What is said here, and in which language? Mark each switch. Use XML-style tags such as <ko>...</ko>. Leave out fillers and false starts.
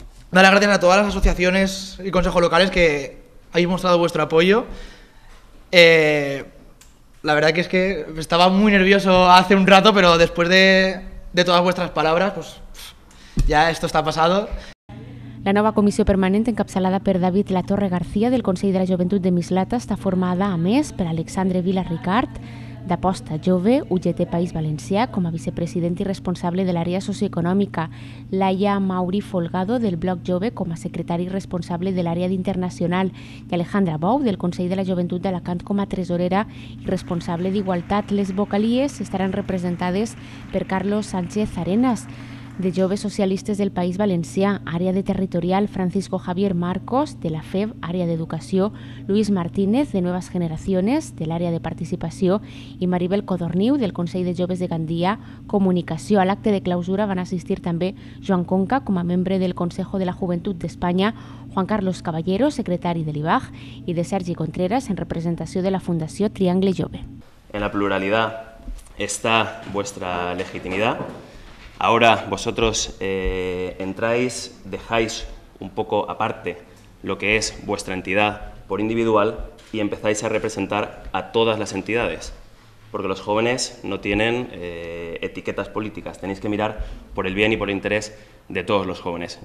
<es>Dar las gracias a todas las asociaciones y consejos locales que habéis mostrado vuestro apoyo. La verdad que es que estaba muy nervioso hace un rato, pero después de todas vuestras palabras, pues ya esto está pasado.</es> <ca>La nova comissió permanent, encapçalada per David Latorre García, del Consell de la Joventut de Mislata, està formada, a més, per Alexandre Vila Ricard, d'Aposta Jove, UGT País Valencià, com a vicepresident i responsable de l'àrea socioeconòmica, Laia Mauri Folgado, del Bloc Jove, com a secretari responsable de l'àrea d'Internacional, i Alejandra Bou, del Consell de la Joventut d'Alacant, com a tresorera i responsable d'Igualtat. Les vocalies estaran representades per Carlos Sánchez Arenas, de Joves Socialistes del País Valencià, àrea de territorial, Francisco Javier Marcos, de la FEB, àrea d'educació, Luis Martínez, de Nuevas Generaciones, de l'àrea de participació, i Maribel Codorniu, del Consell de Joves de Gandia, comunicació. A l'acte de clausura van assistir també Joan Conca, com a membre del Consejo de la Juventud d'Espanya, Juan Carlos Caballero, secretari de l'IBAG, i de Sergi Contreras, en representació de la Fundació Triangle Jove.</ca> <es>En la pluralidad está vuestra legitimidad. Ahora vosotros entráis, dejáis un poco aparte lo que es vuestra entidad por individual y empezáis a representar a todas las entidades, porque los jóvenes no tienen etiquetas políticas, tenéis que mirar por el bien y por el interés de todos los jóvenes.</es>